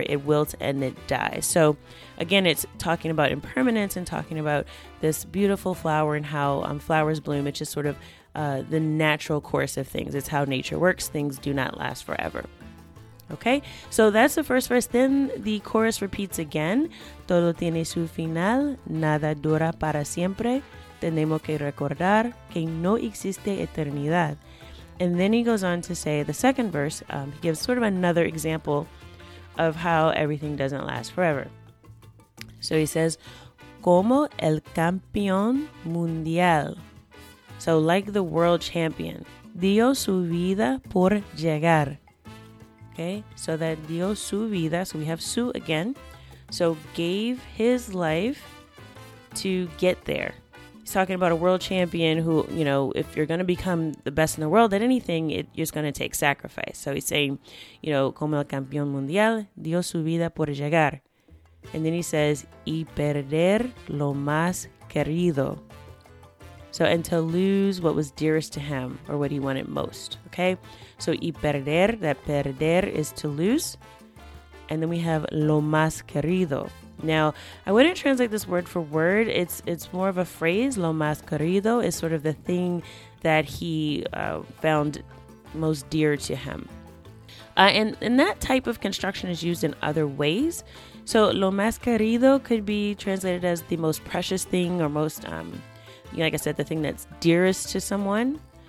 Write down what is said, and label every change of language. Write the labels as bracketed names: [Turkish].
[English] It wilts and it dies. So again, it's talking about impermanence and talking about this beautiful flower and how flowers bloom. It's just sort of the natural course of things. It's how nature works. Things do not last forever. Okay, so that's the first verse. Then the chorus repeats again. [Spanish] Todo tiene su final, nada dura para siempre. Tenemos que recordar que no existe eternidad. [English] And then he goes on to say the second verse. He gives sort of another example of how everything doesn't last forever. So he says, [Spanish] como el campeón mundial. [English] So like the world champion, [Spanish] dio su vida por llegar. [English] Okay, so that [Spanish] dio su vida, [English] so we have su again, so gave his life to get there. He's talking about a world champion who, you know, if you're going to become the best in the world at anything, it's going to take sacrifice. So he's saying, you know, [Spanish] como el campeón mundial, dio su vida por llegar. [English] And then he says, [Spanish] y perder lo más querido. [English] So, and to lose what was dearest to him or what he wanted most, okay? So, [Spanish] y perder, [English] that perder is to lose. And then we have [Spanish] lo más querido. [English] Now, I wouldn't translate this word for word. It's more of a phrase. [Spanish] Lo más querido [English] is sort of the thing that he found most dear to him. And that type of construction is used in other ways. So [Spanish] lo más querido [English] could be translated as the most precious thing or most, like I said, the thing that's dearest to someone.